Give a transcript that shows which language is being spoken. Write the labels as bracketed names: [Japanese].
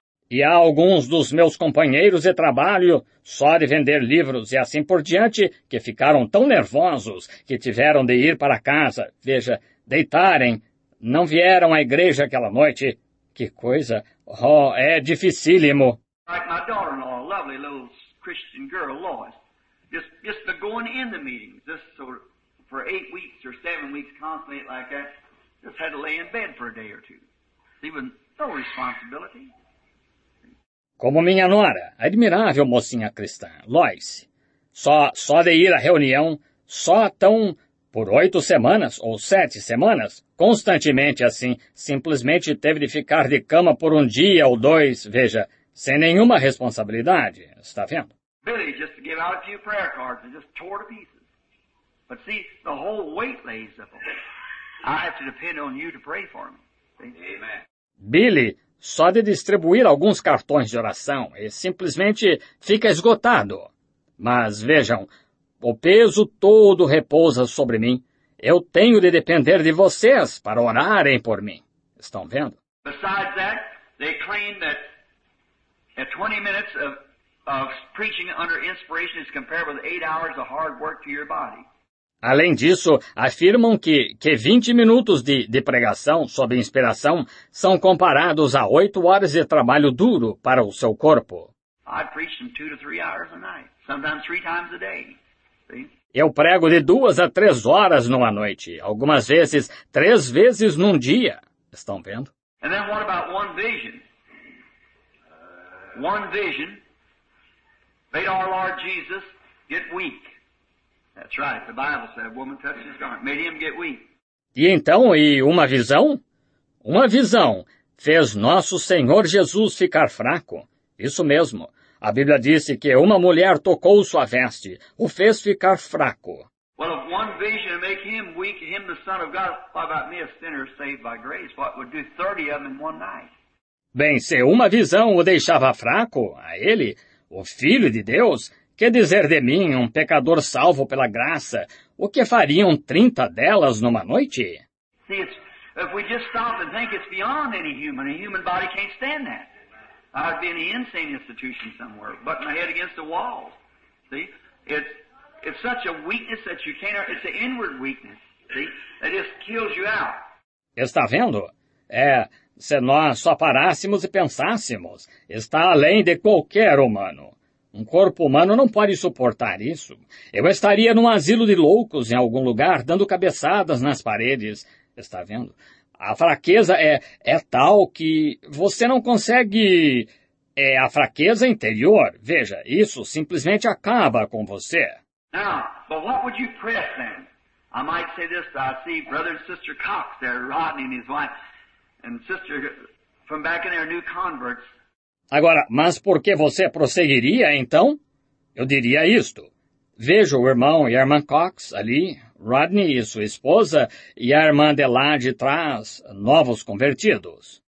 [Portuguese] E há alguns dos meus companheiros de trabalho, só de vender livros e assim por diante, que ficaram tão nervosos que tiveram de ir para casa. Veja, deitarem, não vieram à igreja aquela noite. Que coisa! Oh, é dificílimo! [English] Like my daughter-in-law, a lovely little Christian girl, Lois, just been going in the meetings, just sort of for 8 weeks or 7 weeks, constantly like that, just had to lay in bed for a day or two. Even no responsibility. [Portuguese] Como minha nora, admirável mocinha cristã, Lois, só de ir à reunião, só tão por 8 semanas ou 7 semanas, constantemente assim, simplesmente teve de ficar de cama por um dia ou dois, veja, sem nenhuma responsabilidade, está vendo? [English] Billy, just to give out a few prayer cards, and just tore to pieces. But see, the whole weight lays up on me. I have to depend on you to pray for me. Amen. [Portuguese] Billy, só de distribuir alguns cartões de oração, e simplesmente fica esgotado. Mas vejam, o peso todo repousa sobre mim. Eu tenho de depender de vocês para orarem por mim. Estão vendo? [English] Besides that, they claim that at 20 minutes of preaching under inspiration is compared with 8 hours of hard work to your body. [Portuguese] Além disso, afirmam que 20 minutos de pregação sob inspiração são comparados a 8 horas de trabalho duro para o seu corpo. [English] I preach them 2 to 3 hours a night, sometimes 3 times a day. [Portuguese] Eu prego de 2 a 3 horas numa noite, algumas vezes 3 vezes num dia. Estão vendo? [English] And then what about one vision? One vision made our Lord Jesus get weak. That's right. The Bible said, "Woman touched his garment, made him get weak." [Portuguese] E então, e uma visão? Uma visão fez nosso Senhor Jesus ficar fraco. Isso mesmo. A Bíblia disse que uma mulher tocou sua veste, o fez ficar fraco. [English] Well, if one vision make him weak, him the Son of God, what about me, a sinner saved by grace? What would do 30 of them in one night? [Portuguese] Bem, se uma visão o deixava fraco, a ele, o Filho de Deus, que dizer de mim, um pecador salvo pela graça, o que fariam 30 delas numa noite? [English] See, if we just stop and think it's beyond any human, a human body can't stand that. I'd be in an insane institution somewhere, butting my head against the walls. See, it's such a weakness that you can't, it's an inward weakness, see, that just kills you out. [Portuguese] Está vendo? É... Se nós só parássemos e pensássemos, está além de qualquer humano. Um corpo humano não pode suportar isso. Eu estaria num asilo de loucos em algum lugar, dando cabeçadas nas paredes. Está vendo? A fraqueza é tal que você não consegue... É a fraqueza interior. Veja, isso simplesmente acaba com você. [English] Now, but what would you press then? I might say this, I see brother and sister Cox there, Rodney and his wife... And sister, from back in there, new converts. [Portuguese] Agora, mas por que você prosseguiria, então? Eu diria isto. Vejo o irmão e a irmã Cox ali, Rodney e sua esposa, e a irmã de lá de trás, novos convertidos.